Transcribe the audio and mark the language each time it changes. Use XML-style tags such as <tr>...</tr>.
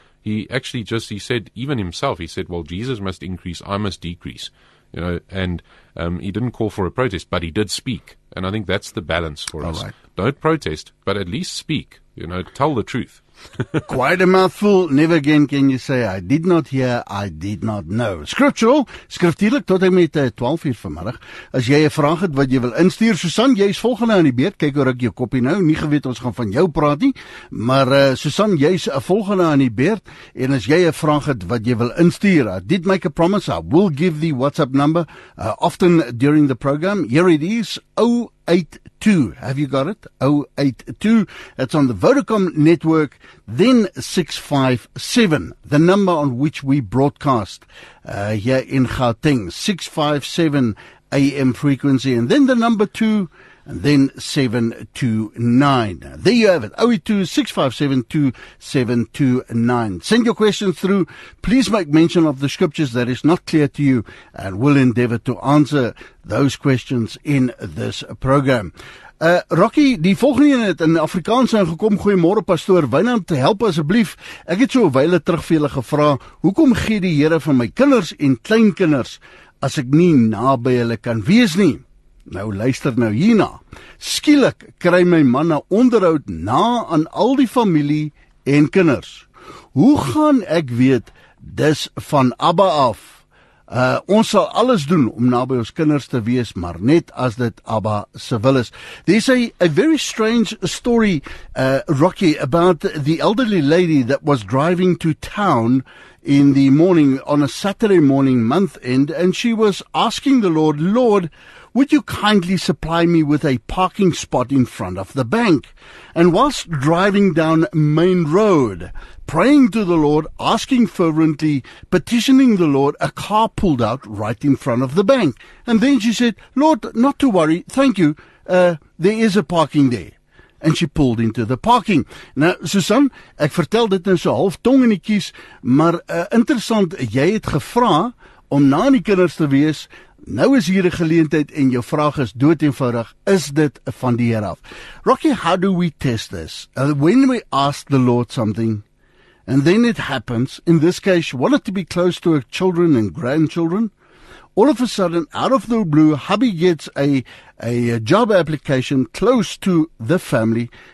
<en>He actually said, well, Jesus must increase, I must decrease. You know, and he didn't call for a protest, but he did speak. And I think that's the balance for us. Right. Don't protest, but at least speak. You know, tell the truth. Quite a mouthful. Never again can you say, I did not hear, I did not know. Scriptural,</en> <af>skriftuurlik, tot en met 12 uur vanmiddag. As jy 'n vraag het wat jy wil instuur, Susan, jy is volgende aan die beurt. Kyk hoe ruk jou kopie nou. Nie geweet ons gaan van jou praat nie. Maar Susan, jy is volgende aan die beurt. En as jy 'n vraag het wat jy wil instuur,</af> <en>I did make a promise, I will give the WhatsApp number often during the program. Here it is, 082. Have you got it? 082. It's on the Vodacom network, then 657, the number on which we broadcast here in Gauteng, 657 AM frequency, and then the number 2, and then 729. There you have it, 082-657-2729. Send your questions through. Please make mention of the scriptures that is not clear to you, and we'll endeavor to answer those questions in this program.</en> <af>Rocky, die volgende een het in Afrikaans ingekom. Goeiemôre pastoor, Wynand, help asseblief. Ek het so 'n wyle terug vir julle gevra, hoekom gee die Here van my kinders en kleinkinders as ek nie naby hulle kan wees nie? Nou luister nou hierna. Skielik kry my man 'n onderhoud na aan al die familie en kinders. Hoe gaan ek weet dis van Abba af? Ons sal alles doen om naby ons kinders te wees, maar net as dit Abba se wil is.</af> <en>There's a very strange story, Rocky, about the elderly lady that was driving to town in the morning, on a Saturday morning month end, and she was asking the Lord, Lord, would you kindly supply me with a parking spot in front of the bank? And whilst driving down Main Road, praying to the Lord, asking fervently, petitioning the Lord, a car pulled out right in front of the bank. And then she said, Lord, not to worry, thank you, there is a parking there. And she pulled into the parking.</en> <af>Nou, Susan, ek vertel dit in so half tong in die kies, maar interessant, jy het gevra om na die kinders te wees. Nou is hier 'n geleentheid en jou vraag is dood eenvoudig, is dit van die Here af?</af> <en>Rocky, how do we test this? When we ask the Lord something and then it happens, in this case, she wanted to be close to her children and grandchildren. All of a sudden, out of the blue, hubby gets a job application close to the family.</en>